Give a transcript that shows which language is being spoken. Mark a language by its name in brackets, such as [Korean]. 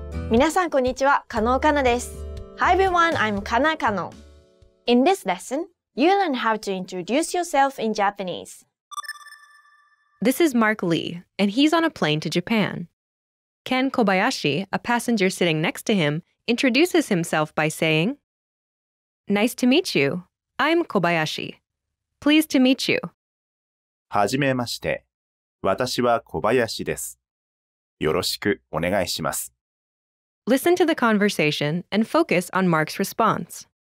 [Japanese] 皆さんこんにちは、加納かなです。 [English] Hi everyone, I'm Kana Kano. In this lesson, you learn how to introduce yourself in Japanese. This is Mark Lee, and he's on a plane to Japan. Ken Kobayashi, a passenger sitting next to him, introduces himself by saying, Nice to meet you. I'm Kobayashi. Pleased to meet you. [Japanese] はじめまして。私は Kobayashi です。よろしくお願いします。 [English] Listen to the conversation and focus on Mark's response.